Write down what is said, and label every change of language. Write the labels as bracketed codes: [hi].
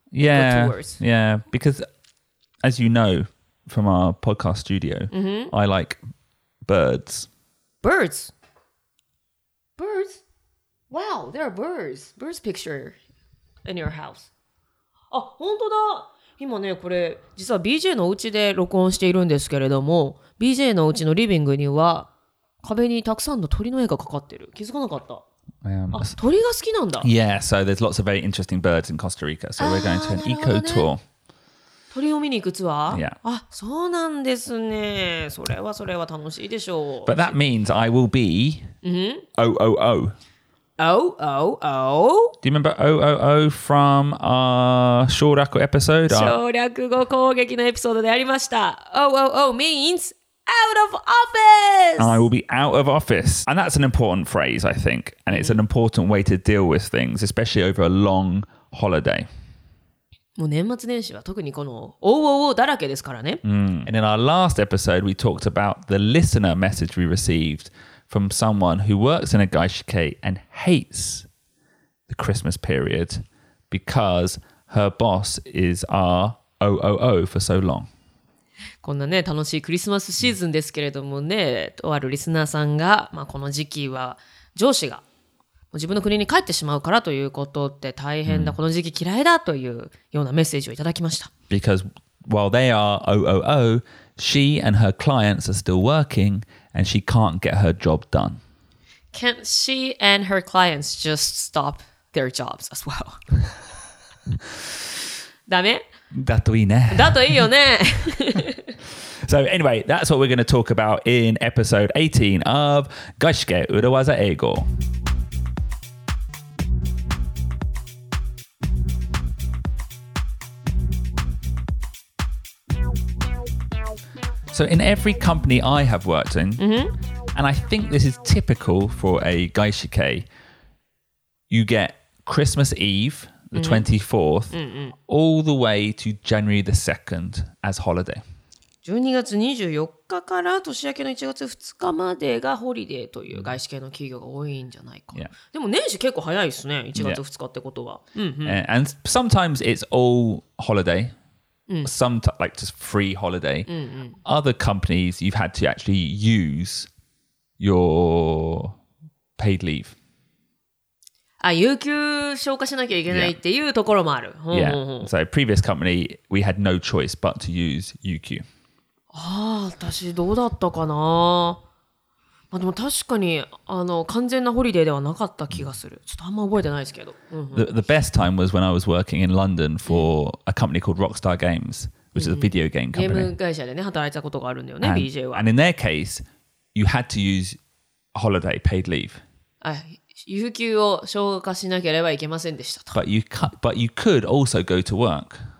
[en] Yeah. Eco tours? Yeah. Because as you know from our podcast studio, I like birds. Birds? Birds? Wow, there are birds. Birds picture in your house. [ja] あ、本当だ。今ね、これ実は BJ のお家で録音しているんですけれども、BJ のお家のリビングには壁にたくさんの鳥の絵がかかってる。気づかなかった。あ、鳥が好きなんだ。 [en] Yeah, so there's lots of very interesting birds in Costa Rica. So we're going to an eco tour. [ja] 鳥を見に行くツアー？ [en] Yeah. [ja] あ、そうなんですね。それはそれは楽しいでしょう。 [en] But that means I will be O-O-O. O-O-O? Do you remember O-O-O from our 省略語 episode? [ja] 省略語攻撃のエピソードでありました。 [en] O-O-O means... Out of office! I will be out of office. And that's an important phrase, I think. And it's an important way to deal with things, especially over a long holiday. [ja] もう年末年始は特にこの OOO だらけですからね。 [en] And in our last episode, we talked about the listener message we received from someone who works in a 外資系 and hates the Christmas period because her boss is our OOO for so long. [ja] こんなね楽しいクリスマスシーズンですけれどもね、とあるリスナーさんが、まあ、この時期は上司が自分の国に帰ってしまうからということって大変だ、この時期嫌いだというようなメッセージをいただきました。 [en] Because while they are OOO, she and her clients are still working and she can't get her job done. Can't she and her clients just stop their jobs as well? [ja] ダメ？だといいね。だといいよね。 [en] So anyway, that's what we're going to talk about in episode 18 of 外資系裏技英語。 So in every company I have worked in, and I think this is typical for a 外資系, you get Christmas Eve,The 24th, all the way to January the 2nd as holiday. [ja] 12月24日から年明けの1月2日までがホリデーという外資系の企業が多いんじゃないか。 [en] Yeah. [ja] でも年始結構早いですね、1月2日ってことは。 [en] Yeah. And sometimes it's all holiday, sometimes like just free holiday. Other companies, you've had to actually use your paid leave. [ja] あ、有給消化しなきゃいけないっていうところもある。 [en] Yeah. So previous company, we had no choice but to use 有給。 [ja] ああ、私どうだったかな。まあでも確かにあの完全なホリデーではなかった気がする。ちょっとあんま覚えてないですけど。 [en] The best time was when I was working in London for a company called Rockstar Games, which is a video game company. [ja] ゲーム会社でね働いたことがあるんだよね、BJ は。 [en] And in their case, you had to use holiday paid leave. [ja] はい。有給を消化しなければいけませんでしたと。 [en] But you could also go to work.